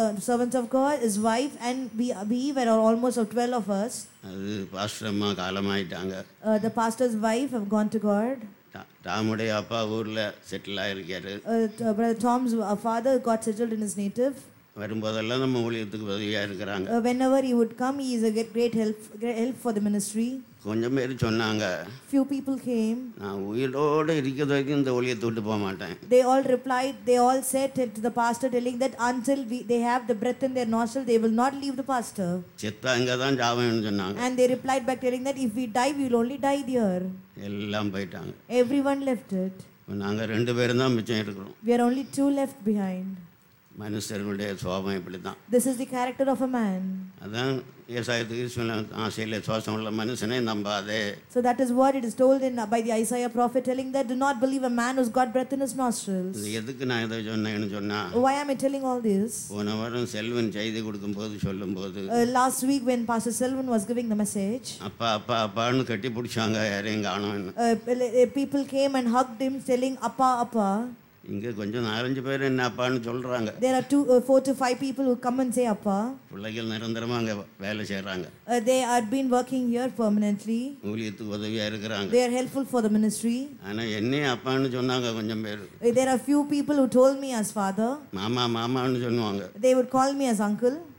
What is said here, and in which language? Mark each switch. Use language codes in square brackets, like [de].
[en] Servants of God, his wife and we were almost of 12 of us. [ta] அது pastor அம்மா காலமாயிட்டாங்க. [en] The pastor's wife have gone to God. [ta] தாமுடைய அப்பா ஊர்ல settle ஆயிருக்காரு. [en] Brother Tom's father got settled in his native. [ta] வரும்போதெல்லாம் நம்ம ஊழியத்துக்கு உதவியாக இருக்கிறாங்க. [en] Whenever he would come, he is a great help for the ministry. [ta] கொஞ்சம் பேர் சொன்னாங்க. [en] Few people came. [ta] நான் உயிரோடு இருக்கிற வரைக்கும் இந்த ஊழியத்தை விட்டு போக மாட்டேன். [en] They all said to the pastor telling that until they have the breath in their nostril, they will not leave the pastor. [ta] செத்தாங்க தான் ஜாவேன்னு சொன்னாங்க. [en] And they replied back telling that if we die, we will only die there. [ta] எல்லாம் போயிட்டாங்க. [en] Everyone left it. [ta] நாங்கள் ரெண்டு பேரும் தான் மிச்சம் இருக்கிறோம். [en] We are only two left behind. [ta] மனுஷர்களுடைய சுவாபம் இப்படி தான். [en] This is the character of a man. [ta] அதான் ஏசாயா சொன்ன ஆசையிலே சுவாசம் உள்ள மனுஷனே நம்பாதே. [en] So that is what it is told in by the Isaiah prophet telling that do not believe a man who's got breath in his nostrils. [ta] எதுக்கு நான் இதை சொன்னேன்னு சொன்னா, [en] Why am I telling all this? [ta] போன வாரம் செல்வன் செய்தி கொடுக்கும்போது சொல்லும்போது, [en] Last week when Pastor Selvan was giving the message, [ta] அப்பா அப்பா அப்பான்னு கட்டி பிடிச்சாங்க, யாரையும் காணோம்னு. [en] People came and hugged him telling [ta] அப்பா அப்பா. இங்க கொஞ்சம் நாலஞ்சு பேர் என்ன அப்பான்னு சொல்றாங்க. [en] There are 2-4 to 5 people who come and say appa. [ta] புள்ளைகள் நிரந்தரமா அங்க வேலை செய்றாங்க. [en] They are been working here permanently. [ta] ஊழியத்துக்கு உதவியா இருக்காங்க. [en] They are helpful for the ministry. [ta] ஆனா என்னே அப்பான்னு சொன்னாங்க கொஞ்சம் பேர். [en] There are few people who told me as father. [ta] மாமா மாமான்னு சொல்வாங்க. [en] They would call me as uncle.